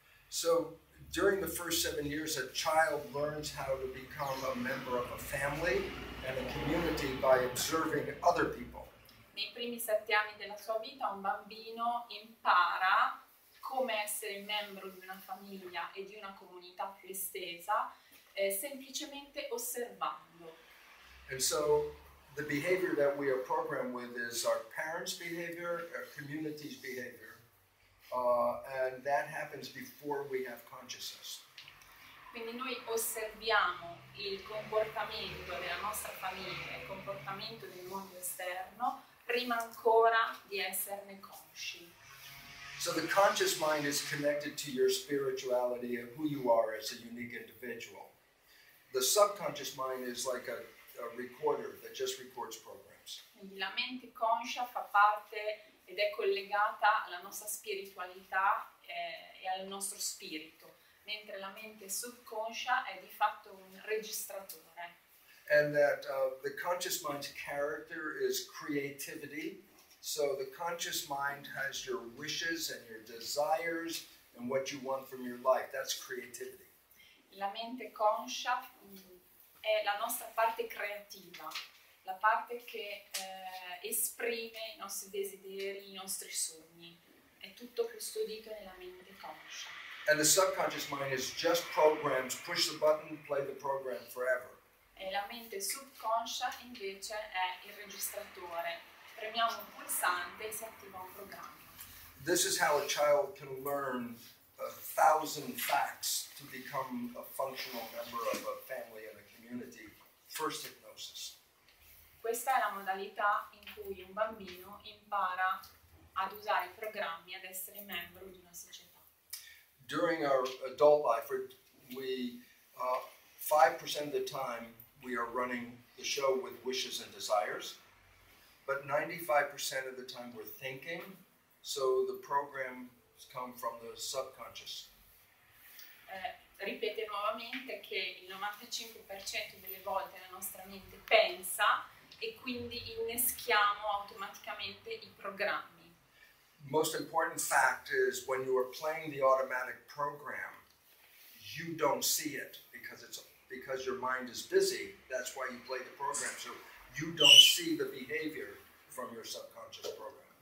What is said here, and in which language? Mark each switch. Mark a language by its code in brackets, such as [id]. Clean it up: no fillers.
[en] So, during the first 7 years, a child learns how to become a member of a family and a community by observing other people. [it] Nei primi 7 anni della sua vita, un bambino impara come essere membro di una famiglia e di una comunità più estesa, semplicemente osservando. [en] And so the behavior that we are programmed with is our parents' behavior, our community's behavior, and that happens before we have consciousness. [it] Quindi noi osserviamo il comportamento della nostra famiglia, il comportamento del mondo esterno, prima ancora di esserne consci. [en] So the conscious mind is connected to your spirituality and who you are as a unique individual. The subconscious mind is like a recorder that just records programs. [it] La mente conscia fa parte ed è collegata alla nostra spiritualità e al nostro spirito, mentre la mente subconscia è di fatto un registratore. [en] And that the conscious mind's character is creativity. So the conscious mind has your wishes and your desires and what you want from your life. That's creativity. [it] La mente conscia è la nostra parte creativa, la parte che esprime i nostri desideri, i nostri sogni. È tutto custodito nella mente conscia. [en] And the subconscious mind is just programs, push the button, play the program forever. [it] E la mente subconscia invece è il registratore. Premiamo un pulsante e si attiva un programma. [en] This is how a child can learn 1,000 facts to become a functional member of a family. First hypnosis. [it] Questa è la modalità in cui un bambino impara ad usare i programmi, ad essere membro di una società. [en] During our adult life, we 5% of the time we are running the show with wishes and desires, but 95% of the time we're thinking, so the programs come from the subconscious. [it] Ripete nuovamente che il 95% delle volte la nostra mente pensa e quindi inneschiamo automaticamente i programmi. [en] Most important fact is when you are playing the automatic program, you don't see it because your mind is busy. That's why you play the program, so you don't see the behavior from your subconscious program.